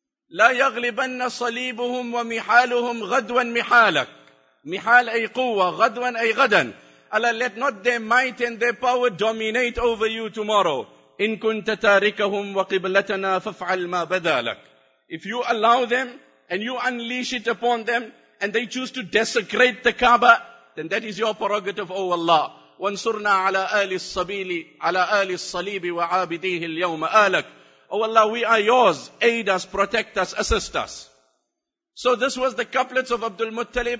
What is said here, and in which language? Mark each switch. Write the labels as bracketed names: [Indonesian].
[Arabic] لا يغلبن صليبهم ومحالهم غدوا محالك. محال أي قوة, غدوا أي غدا. [English] Allah, let not their might and their power dominate over you tomorrow. [Arabic] إن كنت تاركهم وقبلتنا فافعل ما بدالك. [English] If you allow them and you unleash it upon them and they choose to desecrate the Kaaba, then that is your prerogative, O Allah. [Arabic] وَانْصُرْنَا عَلَىٰ آلِ الصَّبِيلِ عَلَىٰ آلِ الصَّلِيبِ وَعَابِدِيهِ الْيَوْمَ آلَكَ. [English] O Allah, we are yours. Aid us, protect us, assist us. So this was the couplets of Abdul Muttalib.